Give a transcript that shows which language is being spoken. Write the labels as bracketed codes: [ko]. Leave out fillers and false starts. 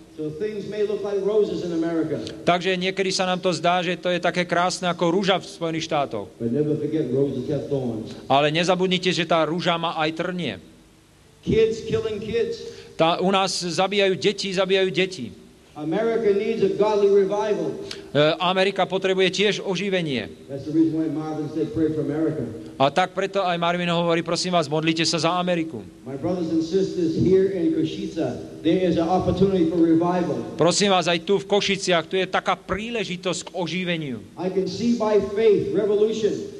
[en] So things may look like roses in America. [sk] Takže niekedy sa nám to zdá, že to je také krásne ako rúža v Spojených štátoch. [en] But never forget roses have thorns. [sk] Ale nezabudnite, že tá rúža má aj trnie. [en] Kids killing kids. [sk] Tá, u nás zabíjajú deti. [en] America needs a godly revival. [sk] Amerika potrebuje tiež oživenie. [en] That's the reason why Marvin said pray for America. [sk] A tak preto aj Marvin hovorí, prosím vás, modlite sa za Ameriku. [en] My brothers and sisters here in Košice, there is an opportunity for revival. [sk] Prosím vás, aj tu v Košiciach, tu je taká príležitosť k oživeniu. [en] I can see by faith revolution.